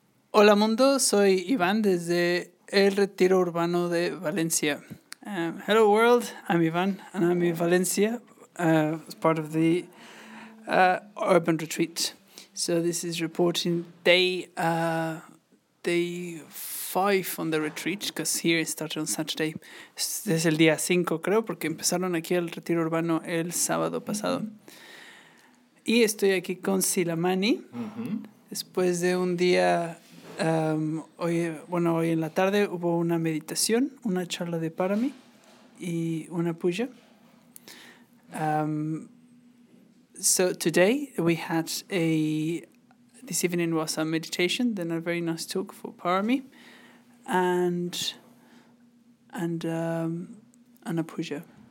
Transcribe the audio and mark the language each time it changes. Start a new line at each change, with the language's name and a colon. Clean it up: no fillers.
Spanish: Hola mundo, soy Iván desde el Retiro Urbano de Valencia.
English: Hello world, I'm Iván and I'm in Valencia as part of the Urban Retreat. So this is reporting day 5 on the retreat because here it started on Saturday.
Spanish: Este es el día 5 creo porque empezaron aquí el Retiro Urbano el sábado pasado. Y estoy aquí con Silamani, después de un día, hoy en la tarde hubo una meditación, una charla de Parami y una puya.
English: So today we had this evening was a meditation, then a very nice talk for Parami, and a puya.